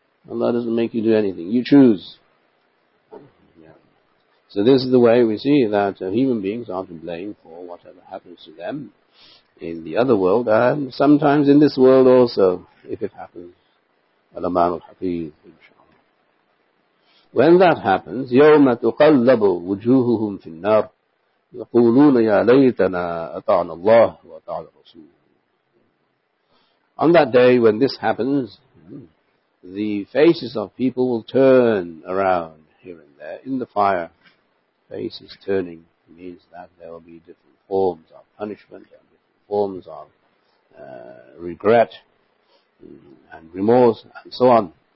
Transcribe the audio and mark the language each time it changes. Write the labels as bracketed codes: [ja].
[en] Allah doesn't make you do anything. You choose. Yeah. So this is the way we see that human beings are to blame for whatever happens to them in the other world, and sometimes in this world also, if it happens. Al-Aman al-Hafiz, inshaAllah. When that happens, [ar] يَوْمَ تُقَلَّبُ وُجُوهُهُمْ فِي النَّارِ يَقُولُونَ يَا لَيْتَنَا أَطَعْنَا اللَّهُ وَأَطَعْنَا الرَّسُولُ. [en] On that day when this happens, the faces of people will turn around here and there in the fire. Faces turning means that there will be different forms of punishment, different forms of regret and remorse and so on.